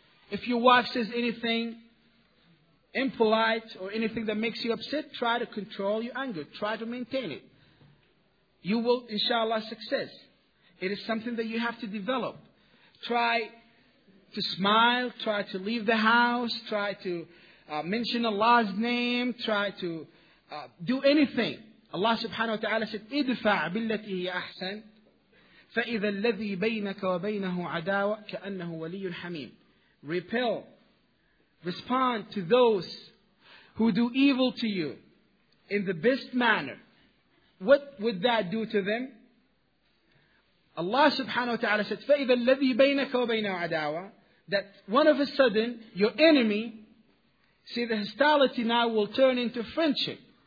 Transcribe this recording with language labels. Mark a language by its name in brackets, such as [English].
[English] If your wife says anything impolite or anything that makes you upset, try to control your anger. Try to maintain it. You will, inshallah, success. It is something that you have to develop. Try to smile. Try to leave the house. Try to mention Allah's name. Try to do anything. Allah subhanahu wa ta'ala said, [Arabic] اِدْفَعْ بِالَّتِي هِيَ أَحْسَنِ فَإِذَا الَّذِي بَيْنَكَ وَبَيْنَهُ عَدَاوَةٌ كَأَنَّهُ وَلِيٌّ حَمِيمٌ. [English] Repel. Respond to those who do evil to you in the best manner. What would that do to them? Allah subhanahu wa ta'ala said, [Arabic] فَإِذَا الَّذِي بَيْنَكَ وَبَيْنَهُ عَدَاوَةٌ. [English] That one of a sudden, your enemy, see the hostility now will turn into friendship.